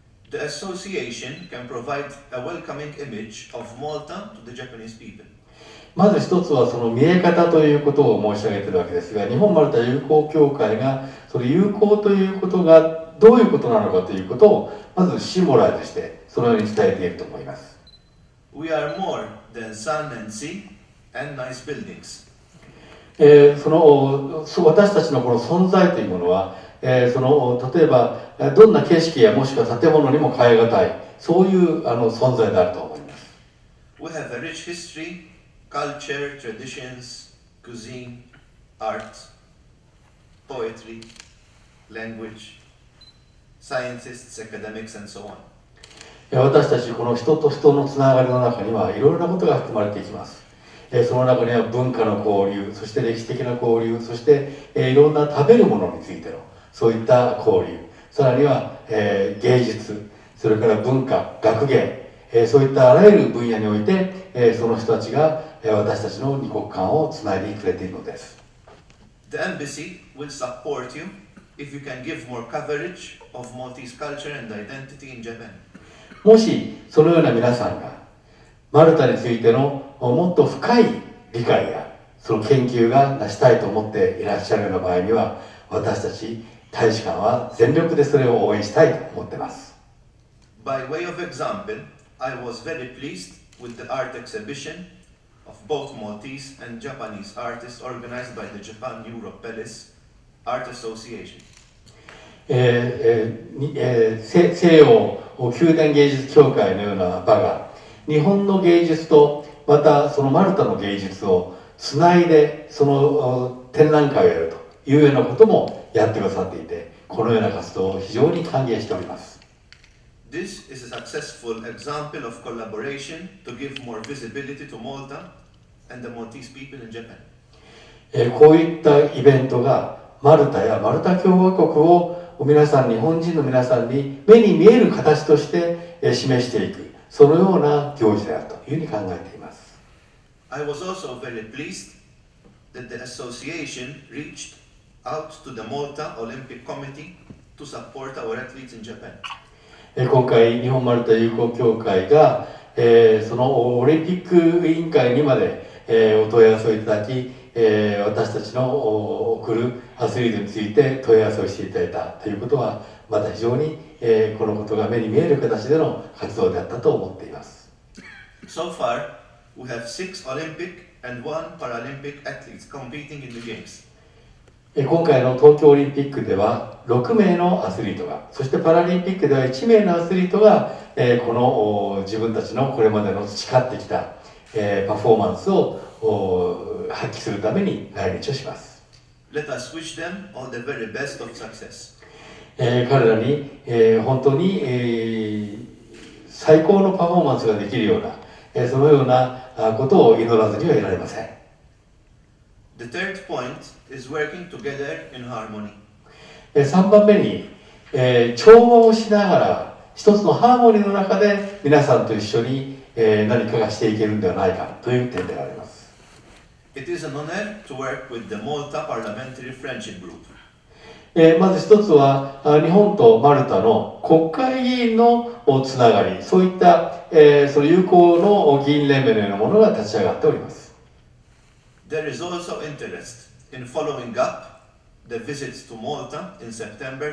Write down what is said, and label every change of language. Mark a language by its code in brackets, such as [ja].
[en] The association can provide a welcoming image of Malta to the Japanese people. [ja] まず一つはその見え方ということを申し上げているわけですが、日本マルタ友好協会がその友好ということがどういうことなのかということをまずシンボライズしてそのように伝えていると思います。 [en] We are more than sun and sea and nice buildings. [ja] 私たちのこの存在というものは、その例えばどんな景色やもしくは建物にも変えがたい、そういうあの存在であると思います。 [en] We have a rich history, culture, traditions, cuisine, art, poetry, language, sciences, academics and so on. [ja] 私たちこの人と人のつながりの中にはいろいろなことが含まれていきます。その中には文化の交流、そして歴史的な交流、そしていろんな食べるものについてのそういった交流、さらには芸術、それから文化、学芸、そういったあらゆる分野においてその人たちが私たちの二国間をつないでくれているのです。 [en] The embassy will support you if you can give more coverage of Maltese culture and identity in Japan. [ja] もしそのような皆さんがマルタについてのもっと深い理解やその研究がなしたいと思っていらっしゃるような場合には、私たち大使館は全力でそれを応援したいと思っています。 [en] By way of example, I was very pleased with the art exhibition. Of both Maltese and Japanese artists organized by the Japan Europe Palace Art Association. [ja] 西洋宮殿芸術協会のような場が日本の芸術とまたそのマルタの芸術をつないでその展覧会をやるというようなこともやってくださっていて、このような活動を非常に歓迎しております。 [en] This is a successful example of collaboration to give more visibility to Malta and the Maltese people in Japan. [ja] こういったイベントがマルタやマルタ共和国を皆さん、日本人の皆さんに目に見える形として示していく、そのような行事であるというふうに考えています。 [en] I was also very pleased that the association reached out to the Malta Olympic Committee to support our athletes in Japan. [ja] 今回日本マルタ友好協会が、そのオリンピック委員会にまで、お問い合わせをいただき、私たちの送るアスリートについて問い合わせをしていただいたということは、また非常に、このことが目に見える形での活動であったと思っています。 [en] So far we have 6 Olympic and 1 Paralympic athletes competing in the games。 [ja] 今回の東京オリンピックでは6名のアスリートが、そしてパラリンピックでは1名のアスリートが、この自分たちのこれまでの培ってきた、パフォーマンスを発揮するために来日をします。 [en] Let us wish them all the very best of success. [ja] 彼らに、本当に、最高のパフォーマンスができるような、そのようなことを祈らずにはいられません。 [en] The third point is working together in harmony. [ja] 3番目に、調和をしながら一つのハーモニーの中で皆さんと一緒に、何かがしていけるのではないかという点であります。 [en] It is an honor to work with the Malta Parliamentary Friendship Group. [ja] まず一つは日本とマルタの国会議員のつながり、そういった、その友好の議員連盟のようなものが立ち上がっております。 [en] There is also interest in following up the visits to Malta in September